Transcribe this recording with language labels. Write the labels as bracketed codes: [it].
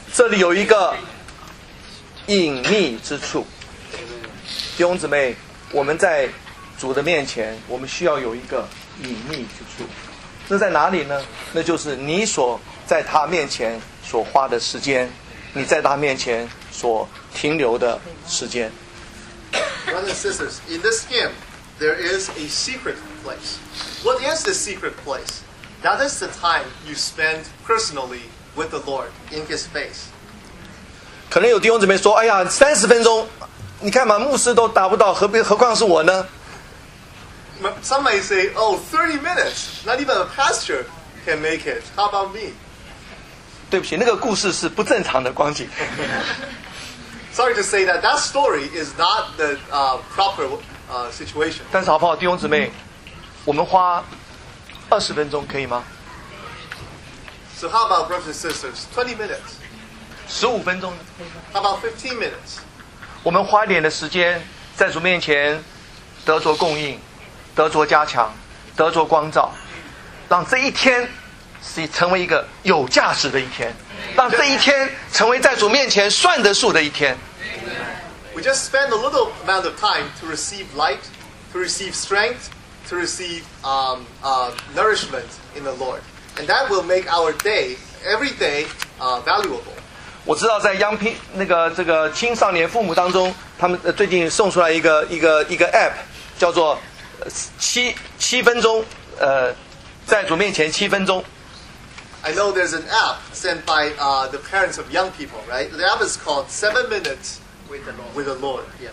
[zh] 这里有一个隐秘之处，弟兄姊妹，我们在主的面前，我们需要有一个隐秘之处。那在哪里呢？那就是你所在他面前所花的时间，你在他面前所停留的时间。 [en] Brothers and sisters, in this hymn, there is a secret place. What is the secret place? That is the time you spend personally with the Lord in His face. [zh] 可能有弟兄姊妹说，哎呀，三十分钟，你看嘛，牧师都达不到，何况是我呢？ [en] Some may say, oh, 30 minutes, not even a pastor can make it. How about me? [zh] 对不起，那个故事是不正常的光景。 [en] Sorry to say that story is not the proper situation. [zh] 但是好不好，弟兄姊妹，我们花二十分钟可以吗？ [en] So how about brothers and sisters, 20 minutes? [zh] 十五分钟呢？ [en] How about 15 minutes? [zh] 我们花一点的时间在主面前得着供应，得着加强，得着光照，让这一天是成为一个有价值的一天。让这一天成为在主面前算得数的一天。 [en] We just spend a little amount of time to receive light, to receive strength, to receive nourishment in the Lord, and that will make our day, every day, valuable. [zh] 我知道在央聘那个这个青少年父母当中，他们最近送出来一个 app， 叫做七分钟，在主面前七分钟。 [en] I know there's an app sent by the parents of young people, right? The app is called 7 Minutes with the Lord.